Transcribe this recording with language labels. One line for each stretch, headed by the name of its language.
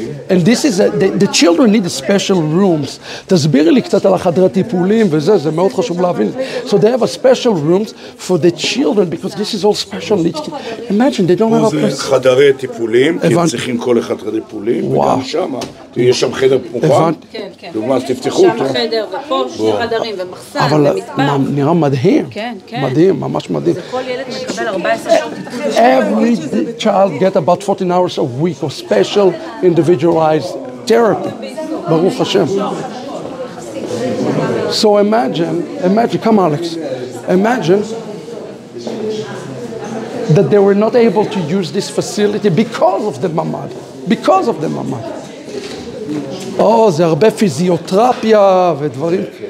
English: And this is, the children need special rooms.
Hebrew: תסבירי לי קצת על החדרי טיפולים וזה, זה מאוד חשוב להבין.
English: So they have a special rooms for the children, because this is all special. Imagine, they don't have a place.
Hebrew: זה חדרי טיפולים, כי הם צריכים כל אחד חדרי טיפולים, וגם שם, יש שם חדר מוכן. כן. דוגמה, אז תפתחו אותו. שם חדר, ופה שני חדרים, ומחסן, ומטבח. אבל נראה מדהים. כן. מדהים, ממש מדהים. זה כל ילד מקבל 14 שעות.
English: Every child get about 14 hours a week of special individualized therapy.
Hebrew: Baruch Hashem.
English: So imagine, come Alex, imagine that they were not able to use this facility because of the Mamad. Because of the Mamad.
Hebrew: Oh, זה הרבה פיזיותרפיה ודברים.